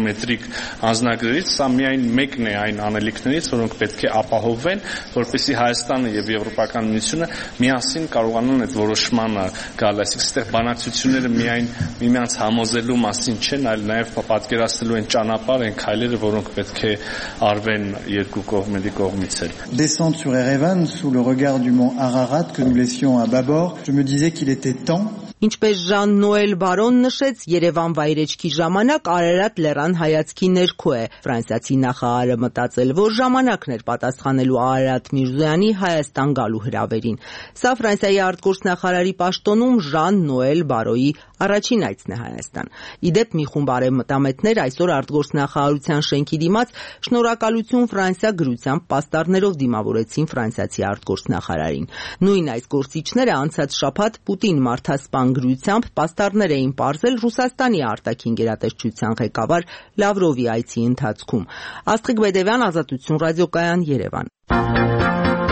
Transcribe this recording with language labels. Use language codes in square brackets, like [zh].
[hy] բիոմետրիկ անձնագրերից, սա միայն մեկն է այն անելիքներից, որոնք պետք է ապահովվեն, որպեսզի Հայաստանը եւ Եվրոպական միությունը միասին կարողանան այդ որոշմանը գալ, այսինքն այդ բանակցությունները միայն միմյանց համոզելու մասին չեն, այլ նաեւ պատկերացնելու են ճանապարհ, են քայլերը, որոնք պետք է արվեն երկու կողմերի կողմից էլ. [fr] Descente sur Erevan sous le regard du mont Ararat que nous laissions à bâbord, je me disais qu'il était temps. [hy] Ինչպես Ժան Նոել Բարոն նշեց, Երևան վայրեջքի ժամանակ Արարատ լեռան հայացքի ներքո է։ Ֆրանսիացի նախարարը մտածել, որ ժամանակն էր պատասխանելու Արարատ Միրզոյանի Հայաստան գալու հրավերին։ Սա Ֆրանսիայի արտգործնախարարի պաշտոնում Ժան Նոել Բարոյի առաջին այցն է Հայաստան։ Իդեպ մի խումբ արևմտամետներ այսօր արտգործնախարարության շենքի դիմաց շնորհակալություն Ֆրանսիա գրությամբ պաստառներով դիմավորեցին ֆրանսիացի արտգործնախարարին։ Նույն այս գործիչները անցած շաբաթ Պուտին մարդասպան գրությամբ պաստառներ էին պարզել Ռուսաստանի արտաքին գերատեսչության ղեկավար Լավրովի այցի ընթացքում։ Աստղիկ Բեդևյան, Ազատություն ռադիոկայան, Երևան։